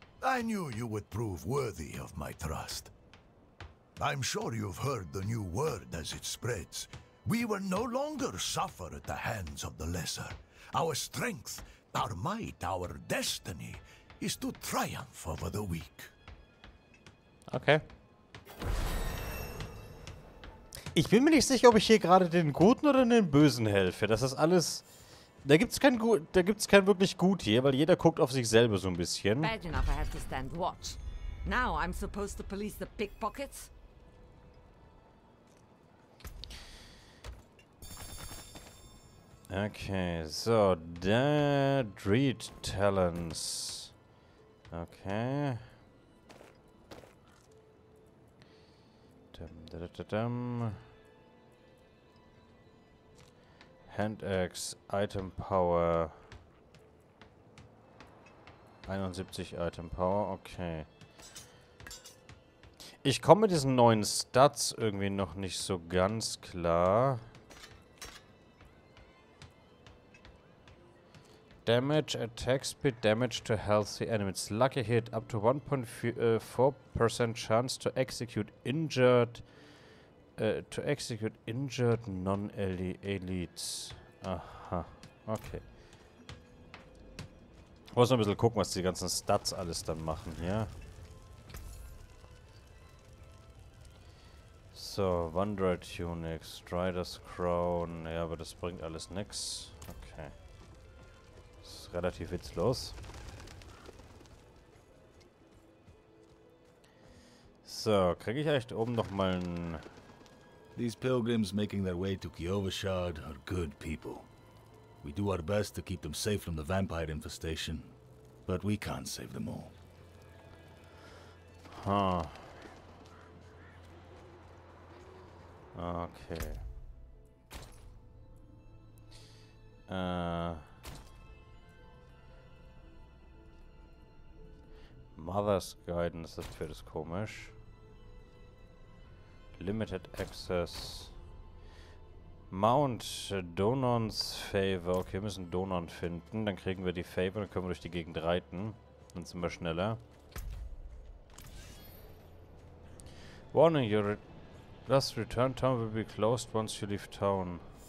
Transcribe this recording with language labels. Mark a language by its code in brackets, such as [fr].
[en] I knew you would prove worthy of my trust. I'm sure you've heard the new word as it spreads. We will no longer suffer at the hands of the lesser. Our strength, our might, our destiny is to triumph over the weak. Okay. [de] Ich bin mir nicht sicher, ob ich hier gerade den Guten oder den Bösen helfe. Das ist alles... Da gibt's kein Gut, da gibt's kein wirklich Gut hier, weil jeder guckt auf sich selber so ein bisschen. [en] Bad enough, I have to stand watch. Now I'm supposed to police the pickpockets? Okay, so, the Dread Talents. Okay. Dum-dum-dum-dum. Hand Axe, Item Power. 71 Item Power, okay. [de] Ich komme mit diesen neuen Stats irgendwie noch nicht so ganz klar. [en] Damage, Attack Speed, Damage to Healthy Enemies. Lucky Hit, up to 1.4% Chance to execute injured. To execute injured non-elites. Aha, okay. [de] Ich muss noch ein bisschen gucken, was die ganzen Stats alles dann machen hier. [en] So, Wanderer Tunic, Strider's Crown. [de] Ja, aber das bringt alles nix. Okay. Das ist relativ witzlos. So, kriege ich eigentlich oben nochmal ein... [en] These pilgrims making their way to Kyovashard are good people. We do our best to keep them safe from the vampire infestation, but we can't save them all. Huh. Okay. [de] Mother's Guidance, das wird es komisch. [en] Limited Access. Mount Donons Favor. [de] Okay, wir müssen Donon finden. Dann kriegen wir die Favor und können wir durch die Gegend reiten. Dann sind wir schneller. [en] Warning, your last return time will be closed once you leave town.